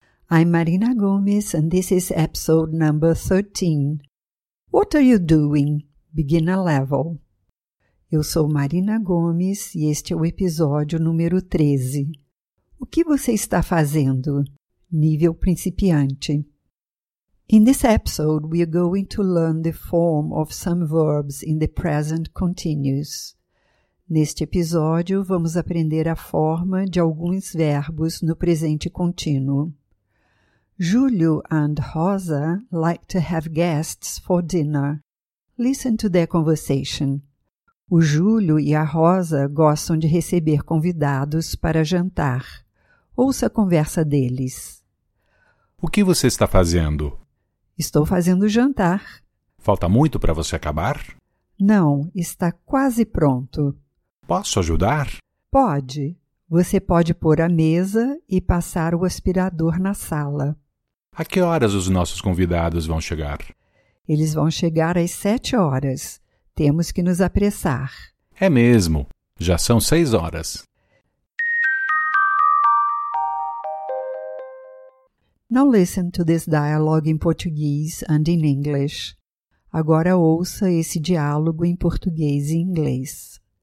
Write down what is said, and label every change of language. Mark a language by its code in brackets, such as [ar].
[en] I'm Marina Gomes and this is episode number 13. What are you doing? Beginner level. [pt] Eu sou Marina Gomes e este é o episódio número 13. O que você está fazendo? Nível principiante. [en] In this episode, we are going to learn the form of some verbs in the present continuous. [pt] Neste episódio, vamos aprender a forma de alguns verbos no presente contínuo. [en] Júlio and Rosa like to have guests for dinner. Listen to their conversation. [pt] O Júlio e a Rosa gostam de receber convidados para jantar. Ouça a conversa deles. O que você está fazendo? Estou fazendo jantar. Falta muito para você acabar? Não, está quase pronto. Posso ajudar? Pode. Você pode pôr a mesa e passar o aspirador na sala. A que horas os nossos convidados vão chegar? Eles vão chegar às 7 horas. Temos que nos apressar. É mesmo. Já são 6 horas. [en] Now listen to this dialogue in Portuguese and in English. [pt] Agora ouça esse diálogo em português e inglês.